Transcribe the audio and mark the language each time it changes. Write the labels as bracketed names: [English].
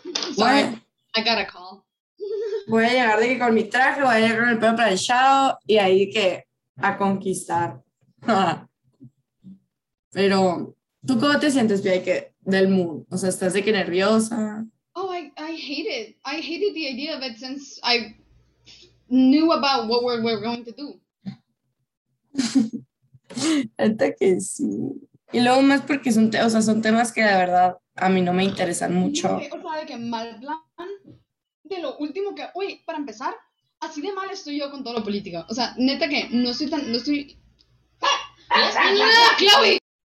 [English] sorry, I got a call. [Spanish] Voy a llegar de que con mi traje, voy a llegar con el pelo planchado, y ahí que... A conquistar. Pero, ¿tú cómo te sientes, Pia, del Moon? O sea, ¿estás de que nerviosa? [English] Oh, I hate it. I hated the idea of it since I knew about what we're going to do. [Spanish] Hasta que sí. Y luego más porque son temas que la verdad a mí no me interesan mucho. O sea, de que mal plan de lo último que... Uy, para empezar... Así de mal estoy yo con todo lo político. O sea, neta que no estoy tan... ¡No estoy! ¡Ah, Chloe!